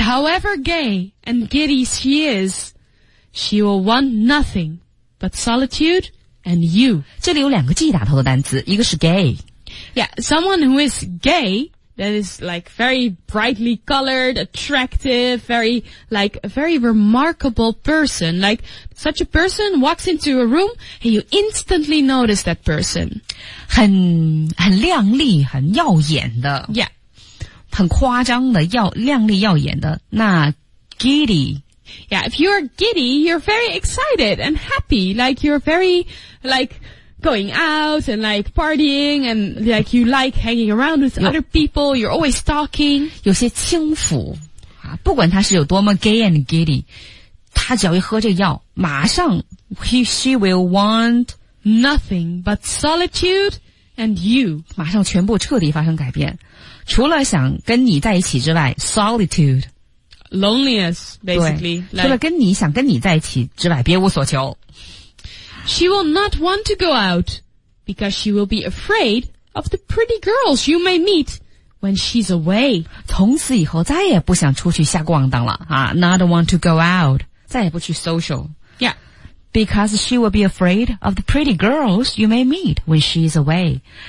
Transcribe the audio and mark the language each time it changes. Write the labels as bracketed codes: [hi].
[en] however gay and giddy she is, she will want nothing but solitude and you. [zh] 这里有两个G打头的单词,一个是gay。 [en] Yeah, someone who is gay, that is like very brightly colored, attractive, very, like a very remarkable person. Like such a person walks into a room, and you instantly notice that person. [zh] 很亮丽,很耀眼的。 [en] Yeah. [zh] 很夸张的,亮丽耀眼的。那 giddy. [en] Yeah, if you are giddy, you're very excited and happy. Like you're very, like, going out and like partying and like you like hanging around with other people, you're always talking. [zh] 有些轻浮,不管他是有多么 [en] gay and giddy, [zh] 他只要一喝这药,马上, [en] she will want nothing but solitude and you. [zh] 马上全部彻底发生改变,除了想跟你在一起之外, solitude. [en] Loneliness, basically. [zh] 除了跟你想跟你在一起之外, 别无所求。 [en] She will not want to go out because she will be afraid of the pretty girls you may meet when she's away. [zh] 从此以后再也不想出去瞎逛荡了。 [en] Not want to go out. [zh] 再也不去social. [en] Yeah. Because she will be afraid of the pretty girls you may meet when she's away.